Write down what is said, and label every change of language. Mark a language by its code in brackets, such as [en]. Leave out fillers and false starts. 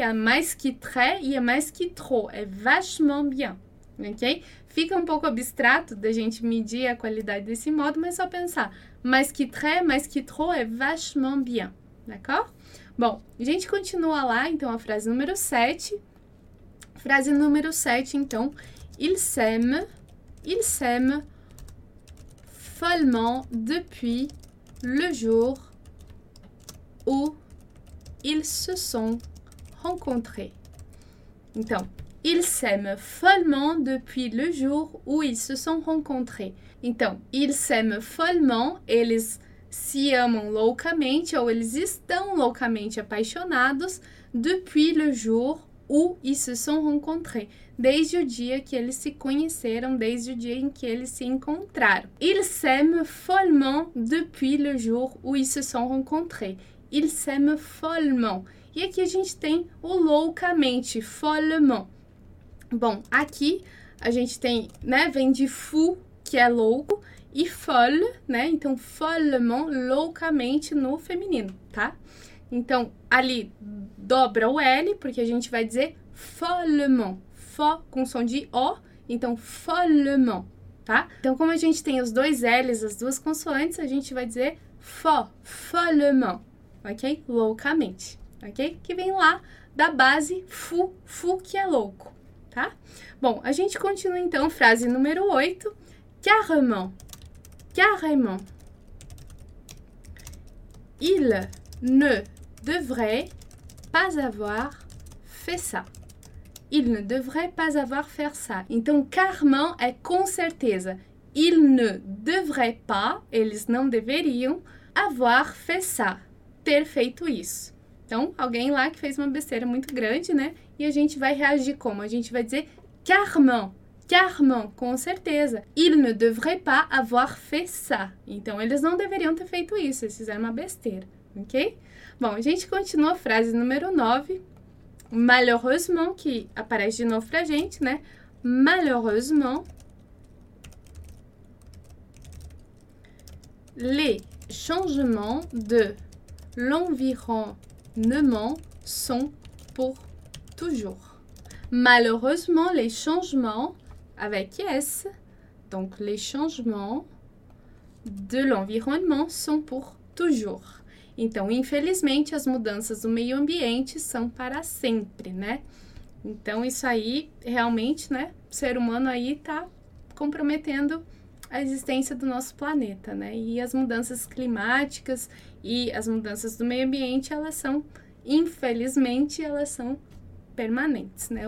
[pt] É mais que très e é mais que trop, é vachement bien. Ok? Fica um pouco abstrato da gente medir a qualidade desse modo, mas só pensar. Mais que très, mais que trop, é vachement bien. D'accord? Bom, a gente continua lá, então, a frase número 7. Frase número 7, então. [fr] Il s'aime follement depuis le jour où ils se sont rencontrés. Então, ils s'aiment follement depuis le jour où ils se sont rencontrés. Então, ils s'aiment follement, [pt] eles se amam loucamente ou eles estão loucamente apaixonados [fr] depuis le jour où ils se sont rencontrés. [pt] Desde o dia que eles se conheceram, desde o dia em que eles se encontraram. [fr] Ils s'aiment follement depuis le jour où ils se sont rencontrés. Ils s'aiment follement. [pt] E aqui a gente tem o loucamente, follement. Bom, aqui a gente tem, né, vem de fou, que é louco, e folle, né, então follement, loucamente no feminino, tá? Então, ali dobra o L, porque a gente vai dizer follement, fo com som de O, então follement, tá? Então, como a gente tem os dois L's, as duas consoantes, a gente vai dizer fo, follement, ok? Loucamente, ok? Que vem lá da base fu, fu que é louco. Tá? Bom, a gente continua então, frase número 8. [fr] Carrément. Carrément. Il ne devrait pas avoir fait ça. Il ne devrait pas avoir fait ça. Então, carrément [pt] é com certeza. [fr] Il ne devrait pas, [pt] eles não deveriam, [fr] avoir fait ça. [pt] Ter feito isso. Então, alguém lá que fez uma besteira muito grande, né? E a gente vai reagir como? A gente vai dizer carrément, carrément, com certeza. [fr] Il ne devrait pas avoir fait ça. [pt] Então, eles não deveriam ter feito isso, eles fizeram uma besteira, ok? Bom, a gente continua a frase número 9. Malheureusement, que aparece de novo pra gente, né? [fr] Malheureusement, les changements de l'environnement sont pour toujours. Malheureusement, les changements, avec S, donc les changements de l'environnement sont pour toujours. [pt] Então, infelizmente, as mudanças do meio ambiente são para sempre, né? Então, isso aí, realmente, né? O ser humano aí tá comprometendo a existência do nosso planeta, né? E as mudanças climáticas e as mudanças do meio ambiente, elas são, infelizmente, elas são permanentes, né?